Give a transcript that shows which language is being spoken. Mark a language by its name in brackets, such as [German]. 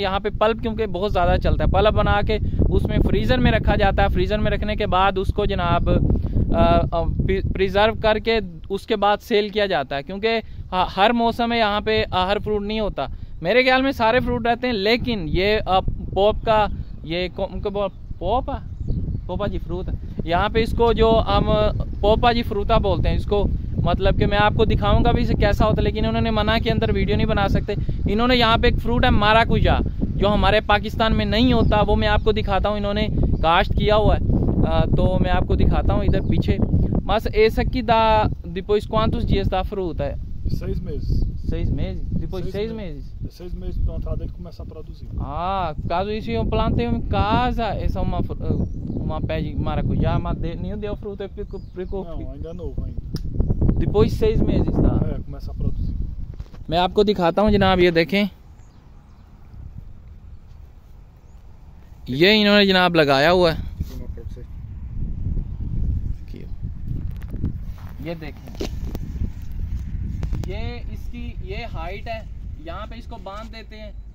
[Hindi] यहाँ पे पल्प क्योंकि बहुत ज़्यादा चलता है, पल्प बना के उसमें फ्रीज़र में रखा जाता है, फ्रीज़र में रखने के बाद उसको जनाब प्रिजर्व करके उसके बाद सेल किया जाता है, क्योंकि हर मौसम में यहाँ पर हर फ्रूट नहीं होता, मेरे ख्याल में सारे फ्रूट रहते हैं, लेकिन ये पोप का ये पोपा पोपा जी फ्रूट है यहाँ पे, इसको जो हम पोपा जी फ्रूटा बोलते हैं इसको, मतलब कि मैं आपको दिखाऊंगा भी इसे कैसा होता है, लेकिन उन्होंने मना कि अंदर वीडियो नहीं बना सकते। इन्होंने यहाँ पे एक फ्रूट है माराकुजा जो हमारे पाकिस्तान में नहीं होता, वो मैं आपको दिखाता हूँ, इन्होंने काश्त किया हुआ है तो मैं आपको दिखाता हूँ इधर पीछे। बस ए सकी दा दिपोस क्वांटस डीएस दा फ्रूट है, [Portuguese] seis meses, depois de seis meses, seis meses plantado ele começa a produzir. Ah, caso isso eu plantei em casa, essa é uma pé de maracujá, mas nem deu fruto, eu fico preocupado. Não, ainda é novo ainda. Depois de seis meses, tá? É, começa a produzir. [Hindi] Mas आपको दिखाता हूँ जनाब, ये देखें, ये इन्होंने जनाब लगाया हुआ है, ये देखें, ये इसकी ये हाइट है, यहाँ पे इसको बांध देते हैं।